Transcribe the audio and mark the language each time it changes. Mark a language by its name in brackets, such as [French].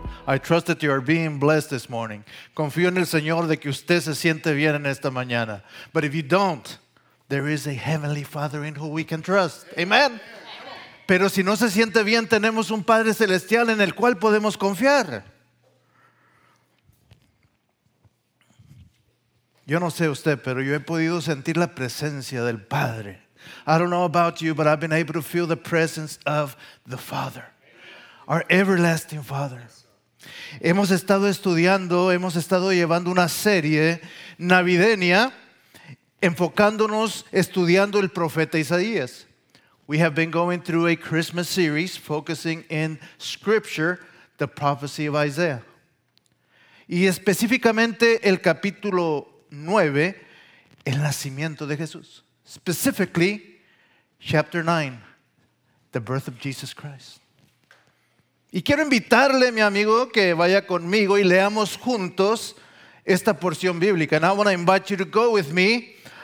[English] I trust that you are being blessed this morning. [Spanish] Confío en el Señor de que usted se siente bien en esta mañana. [English] But if you don't, there is a heavenly Father in whom we can trust. Amen. [Spanish] Pero si no se siente bien, tenemos un Padre Celestial en el cual podemos confiar. Yo no sé usted, pero yo he podido sentir la presencia del Padre. [English] I don't know about you, but I've been able to feel the presence of the Father, our everlasting Father. [Spanish] Hemos estado estudiando, hemos estado llevando una serie navideña, enfocándonos, estudiando el profeta Isaías. [English] We have been going through a Christmas series focusing in Scripture, the prophecy of Isaiah. [Spanish] Y específicamente el capítulo 9, el nacimiento de Jesús. [English] Specifically, chapter 9, the birth of Jesus Christ. [Spanish] Y quiero invitarle, mi amigo, que vaya conmigo y leamos juntos esta porción bíblica. [English] And I want to invite you to go with me.